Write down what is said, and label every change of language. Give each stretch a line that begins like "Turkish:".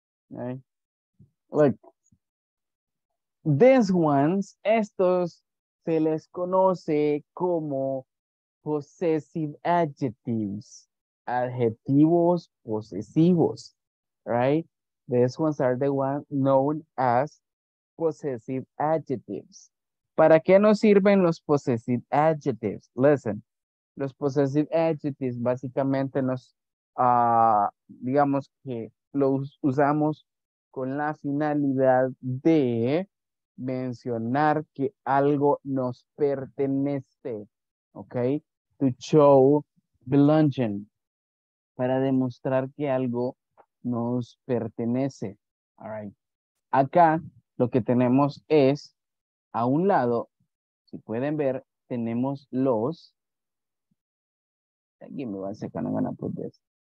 English: Right. Look, these ones,
Spanish: estos se les conoce como possessive adjectives, adjetivos posesivos, right?
English: These ones are the ones known as possessive adjectives.
Spanish: ¿Para qué nos sirven los possessive adjectives? Listen, los possessive adjectives básicamente nos, digamos que los usamos con la finalidad de mencionar que algo nos pertenece, ¿ok?
English: To show belonging,
Spanish: para demostrar que algo nos pertenece, all right. Acá lo que tenemos es, a un lado, si pueden ver, tenemos los
English: Give me one second, I'm gonna put this.